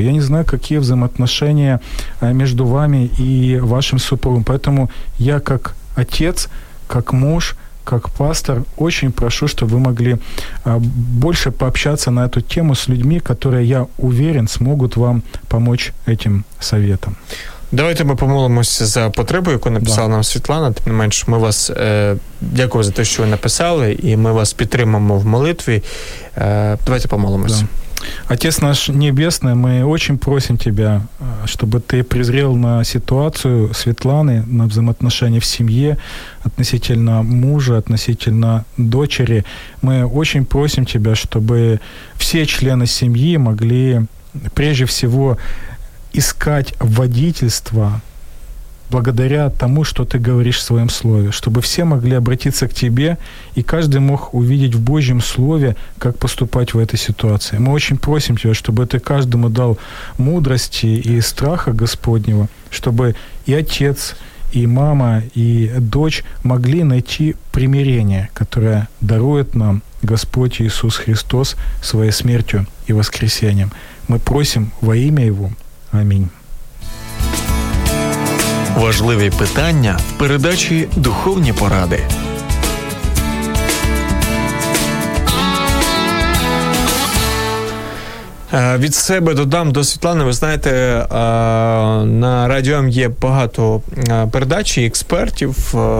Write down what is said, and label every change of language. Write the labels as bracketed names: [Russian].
[Russian] Я не знаю, какие взаимоотношения между вами и вашим супругом. Поэтому я как отец, как муж, как пастор, очень прошу, чтобы вы могли больше пообщаться на эту тему с людьми, которые, я уверен, смогут вам помочь этим советом. [Ukrainian] Давайте ми помолимося за потребу, яку написала нам Світлана. Тим не менш, ми вас дякую за те, що ви написали, і ми вас підтримаємо в молитві. Давайте помолимося. [Russian] Отец наш Небесный, мы очень просим Тебя, чтобы Ты презрел на ситуацию Светланы, на взаимоотношения в семье относительно мужа, относительно дочери. Мы очень просим Тебя, чтобы все члены семьи могли прежде всего искать водительство благодаря тому, что Ты говоришь в Своем Слове, чтобы все могли обратиться к Тебе, и каждый мог увидеть в Божьем Слове, как поступать в этой ситуации. Мы очень просим Тебя, чтобы Ты каждому дал мудрости и страха Господнего, чтобы и отец, и мама, и дочь могли найти примирение, которое дарует нам Господь Иисус Христос Своей смертью и воскресением. Мы просим во имя Его. Аминь. [Ukrainian] Важливі питання в передачі «Духовні поради». Від себе додам до Світлани. Ви знаєте, на радіо М є багато передач і експертів.